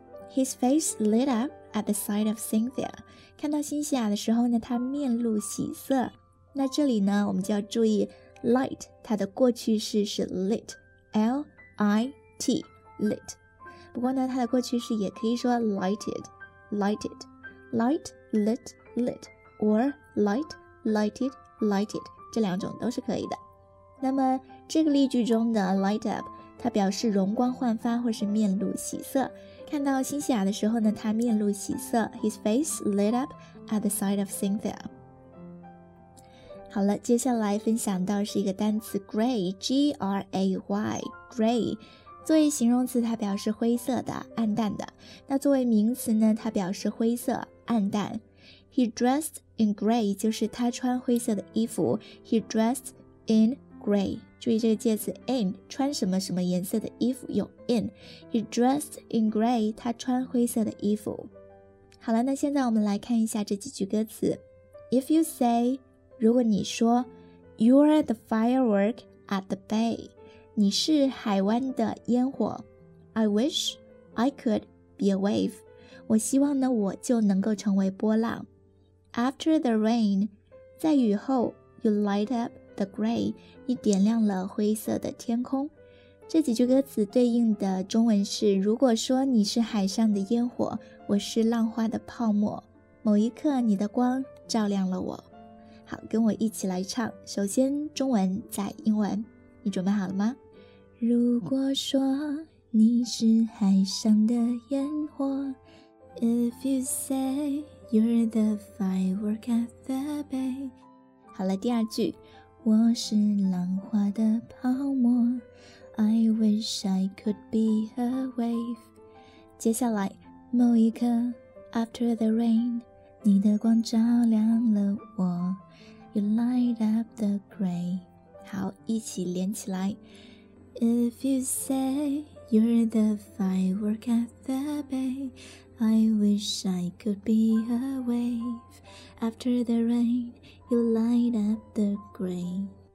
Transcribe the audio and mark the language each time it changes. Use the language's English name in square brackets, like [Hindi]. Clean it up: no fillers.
[English] His face lit up at the sight of Cynthia， [Chinese] 看到辛西亚的时候呢他面露喜色。那这里呢我们就要注意 light 它的过去式是 [English] lit L-I-T lit， [Chinese] 不过呢它的过去式也可以说 lighted lighted [English] light lit lit or light lighted lighted， [Chinese] 这两种都是可以的。那么这个例句中的 light up 它表示容光焕发或是面露喜色，看到辛西娅的时候呢它面露喜色， [English] His face lit up at the sight of Cynthia。 [Chinese] 好了，接下来分享到是一个单词 gray， G-R-A-Y， gray 作为形容词它表示灰色的、暗淡的，那作为名词呢它表示灰色、暗淡。 [English] He dressed in gray [Chinese] 就是他穿灰色的衣服， He dressed in gray， 注意这个介词 in， 穿什么什么颜色的衣服有 in， He dressed in gray 他穿灰色的衣服。好了，那现在我们来看一下这几句歌词。 [English] If you say， [Chinese] 如果你说 [English] You're the firework at the bay， [Chinese] 你是海湾的烟火。 [English] I wish I could be a wave， [Chinese] 我希望呢我就能够成为波浪。 [English] After the rain， [Chinese] 在雨后 [English] You light up the gray， [Chinese] 你点亮了灰色的天空。这几句歌词对应的中文是，如果说你是海上的烟火，我是浪花的泡沫，某一刻你的光照亮了我。好，跟我一起来唱，首先中文再英文，你准备好了吗？如果说你是海上的烟火， [English] If you say you're the firework at the bay。好了，第二句， [Chinese] 我是浪花的泡沫， [English] I wish I could be a wave。 [Chinese] 接下来，某一刻 [English] After the rain， [Chinese] 你的光照亮了我。 [English] You light up the gray。 [Chinese] 好，一起连起来。 [English] If you say you're the firework at the bay， I wish I could be a wave， After the rain you light up the gray。